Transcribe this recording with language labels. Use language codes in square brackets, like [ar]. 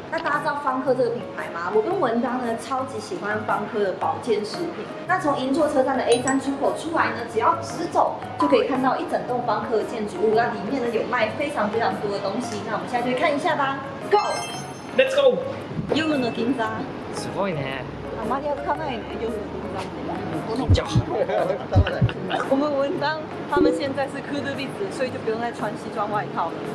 [zh] 那大家知道方科这个品牌吗？我跟文当呢超级喜欢方科的保健食品。那从银座车站的 A3 出口出来呢，只要直走就可以看到一整栋方科的建筑物，那里面呢有卖非常非常多的东西。那我们现在就看一下吧 ，Go。 [en] Let's go！ [ja] 夜の銀座。すごいね。あまり歩かないね、夜の銀座って。銀座。 [zh] 我们文章他们现在是クールビズ，所以就不用再穿西装外套了。